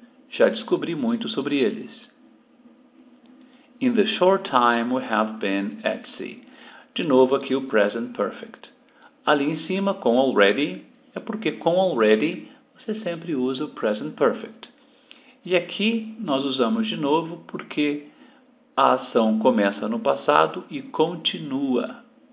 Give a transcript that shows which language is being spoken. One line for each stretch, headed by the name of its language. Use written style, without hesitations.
Portuguese: Já descobri muito sobre eles.
English: In the short time we have been at sea.
Portuguese: De novo aqui o present perfect. Ali em cima, com already, é porque com already você sempre usa o present perfect. E aqui nós usamos de novo porque a ação começa no passado e continua.